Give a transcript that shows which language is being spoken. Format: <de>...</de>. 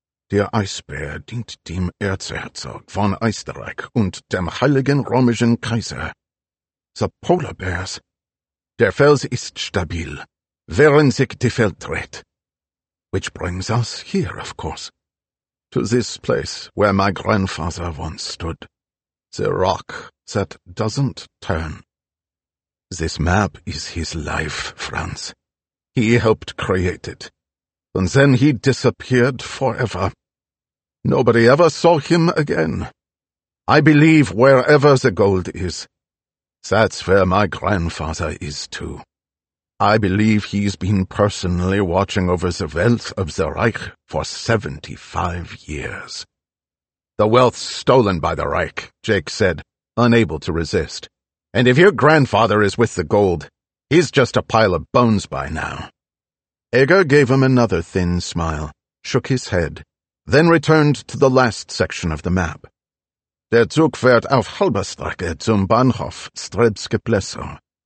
<de>Der Eisbär dient dem Erzherzog von Österreich und dem heiligen römischen Kaiser.</de> <en>The polar bears.</en> <de>Der Fels ist stabil, während sich die Feld dreht.</de> <en>Which brings us here, of course. To this place where my grandfather once stood. The rock that doesn't turn. This map is his life, Franz. He helped create it. And then he disappeared forever. Nobody ever saw him again. I believe wherever the gold is, that's where my grandfather is too. I believe he's been personally watching over the wealth of the Reich for 75 years. The wealth stolen by the Reich, Jake said, unable to resist. And if your grandfather is with the gold, he's just a pile of bones by now. Egger gave him another thin smile, shook his head, then returned to the last section of the map.</en> <de>Der Zug fährt auf halber Strecke zum Bahnhof Strebske Plesso.</de>